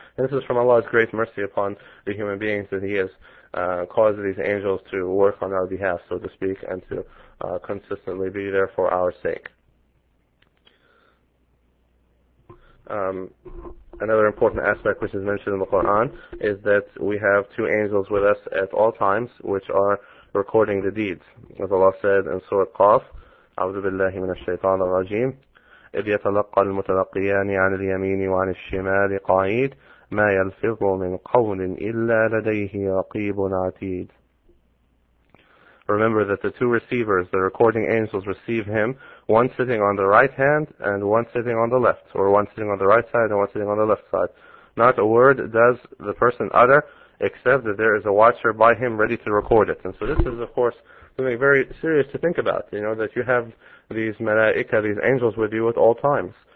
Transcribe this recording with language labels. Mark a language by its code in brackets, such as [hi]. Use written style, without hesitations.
[en] And this is from Allah's great mercy upon the human beings that He has caused these angels to work on our behalf, so to speak, and to consistently be there for our sake. Another important aspect which is mentioned in the Quran is that we have two angels with us at all times which are recording the deeds. As Allah said in Surah Qaf, [ar] أعوذ بالله من الشيطان الرجيم إذ يتلقى المتلقيان عن اليمين وعن الشمال قعيد ما يلفظ من قول إلا لديه رقيب عتيد. [en] Remember that the two receivers, the recording angels, receive him, one sitting on the right hand and one sitting on the left, or one sitting on the right side and one sitting on the left side. Not a word does the person utter except that there is a watcher by him ready to record it. And so this is, of course, something very serious to think about, you know, that you have these malaika, these angels with you at all times.